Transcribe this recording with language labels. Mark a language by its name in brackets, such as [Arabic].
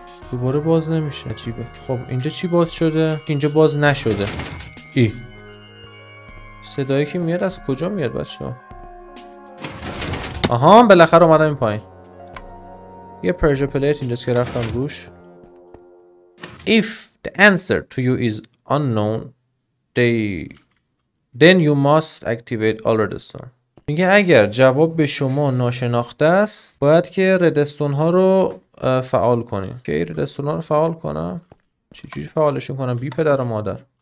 [Persian] دوباره باز نمیشه. عجیبه. خب اینجا چی باز شده؟ اینجا باز نشده. صدایی که میاد از کجا میاد بچه ها؟ آها بالاخره اومدم این پایین. یه پرژه پلیت اینجاست که رفتم روش. [English] If the answer to you is unknown, then you must activate all redstone. [Persian] میگه اگر جواب به شما ناشناخته است، باید که ردستون ها رو فعال کنیم. که این ردستون ها رو فعال کنم، چجوری فعالشون کنم؟ بی پدر و مادر.